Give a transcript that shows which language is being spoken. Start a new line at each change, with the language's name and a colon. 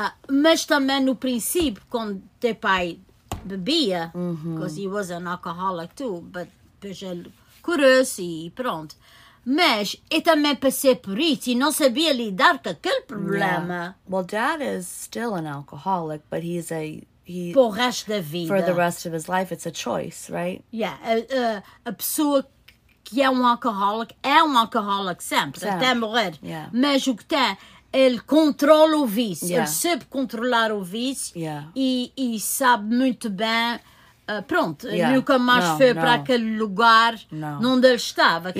Portuguese: Mas também no princípio, quando teu pai bebia,
English: because he was an alcoholic too,
Portuguese: but depois ele curou-se e pronto. Mas eu também passei por isso e não sabia lidar com aquele problema.
English: Yeah. Well, dad is still an alcoholic, but he's a...
Portuguese: Para o resto da vida.
English: For the rest of his life, it's a choice, right?
Portuguese: Yeah, a pessoa que é um alcoholic sempre, até morrer.
English: Yeah.
Portuguese: Mas o que tem... ele controla o vício, ele sabe controlar o vício e sabe muito bem, pronto, ele nunca mais foi para aquele lugar onde ele estava.